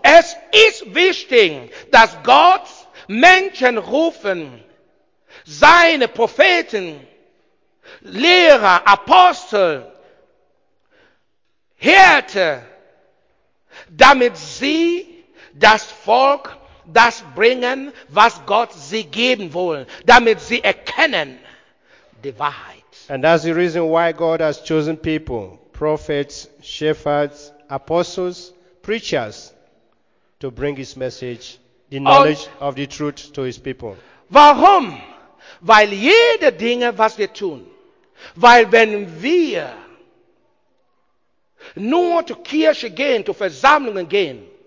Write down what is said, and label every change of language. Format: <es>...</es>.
<de>Es ist wichtig, dass Gott Menschen rufen, seine Propheten, Lehrer, Apostel, Hirte, damit sie das Volk das bringen, was Gott sie geben will, damit sie erkennen die Wahrheit.</de> <en>And that's the reason why God has chosen people, prophets, shepherds, apostles, preachers, to bring his message, the knowledge of the truth to his people.</en> <de>Warum? Weil jede Dinge, was wir tun, weil wenn wir nur zur Kirche gehen, zur Versammlung gehen,</de>